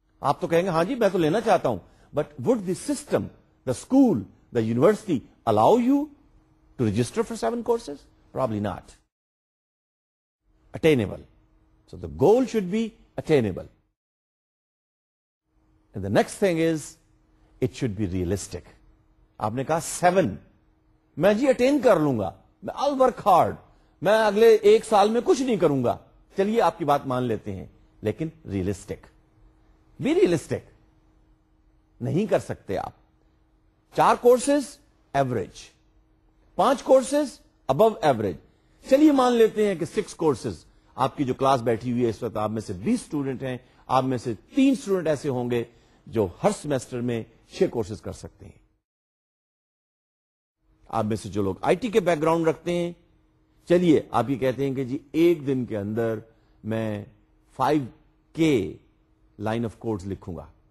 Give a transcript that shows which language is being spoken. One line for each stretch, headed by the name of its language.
Urdu: آپ تو کہیں گے ہاں جی میں تو لینا چاہتا ہوں,
English: but would the system, the school, the university allow you to register for 7 courses? Probably not. Attainable. So the goal should be attainable. And the next thing is, it should be realistic.
Urdu: آپ نے کہا 7, میں جی attain کر لوں گا,
English: I'll work hard,
Urdu: میں اگلے ایک سال میں کچھ نہیں کروں گا. چلیے آپ کی بات مان لیتے ہیں, لیکن ریئلسٹک, بی ریئلسٹک. نہیں کر سکتے آپ 4 courses average, 5 courses above average. چلیے مان لیتے ہیں کہ 6 کورسز. آپ کی جو کلاس بیٹھی ہوئی ہے اس وقت, آپ میں سے 20 اسٹوڈنٹ ہیں, آپ میں سے 3 اسٹوڈنٹ ایسے ہوں گے جو ہر سیمسٹر میں 6 کورسز کر سکتے ہیں. آپ میں سے جو لوگ آئی ٹی کے بیک گراؤنڈ رکھتے ہیں, چلیے آپ یہ کہتے ہیں کہ جی ایک دن کے اندر میں 5K لائن آف کوڈز لکھوں گا.